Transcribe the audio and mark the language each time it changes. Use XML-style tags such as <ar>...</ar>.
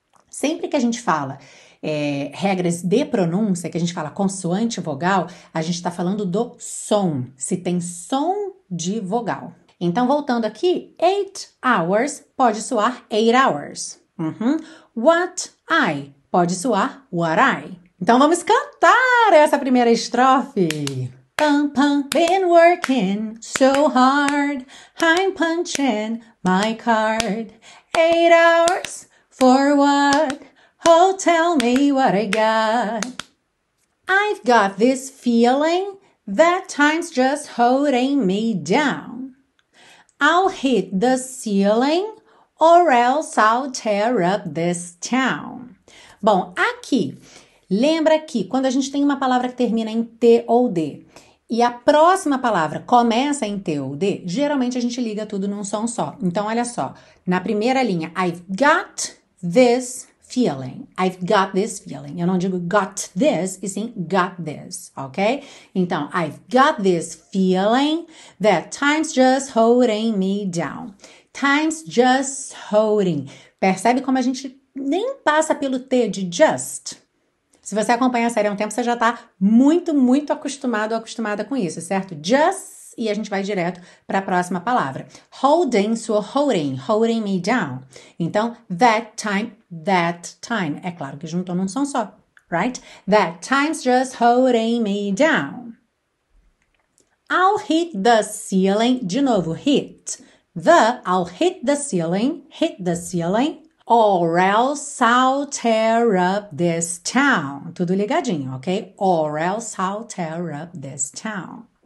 <pt>Sempre que a gente fala regras de pronúncia, que a gente fala consoante, vogal, a gente está falando do som, se tem som de vogal. Então, voltando aqui, 8 hours pode soar 8 hours. Uhum. What I... pode soar what I. Então vamos cantar essa primeira estrofe.</pt> <en>Pum, pum, been working so hard, I'm punching my card. 8 hours for what? Oh, tell me what I got. I've got this feeling that time's just holding me down. I'll hit the ceiling or else I'll tear up this town.</en> <pt>Bom, aqui, lembra que quando a gente tem uma palavra que termina em T ou D e a próxima palavra começa em T ou D, geralmente a gente liga tudo num som só. Então, olha só, na primeira linha,</pt> <en>I've got this feeling, I've got this feeling.</en> <pt>Eu não digo got this, e sim got this, ok?</pt> <en>Então, I've got this feeling that time's just holding me down. Time's just holding.</en> <pt>Percebe como a gente... nem passa pelo T de just. Se você acompanha a série há um tempo, você já está muito, muito acostumado ou acostumada com isso, certo? Just, e a gente vai direto para a próxima palavra.</pt> <en>Holding, so holding, holding me down.</en> <pt>Então, that time, é claro que juntou num som só, right?</pt> <en>That time's just holding me down. I'll hit the ceiling,</en> <pt>de novo,</pt> <en>hit. I'll hit the ceiling. Or else I'll tear up this town.</en> <pt>Tudo ligadinho,</pt> <en>ok? Or else I'll tear up this town.</en>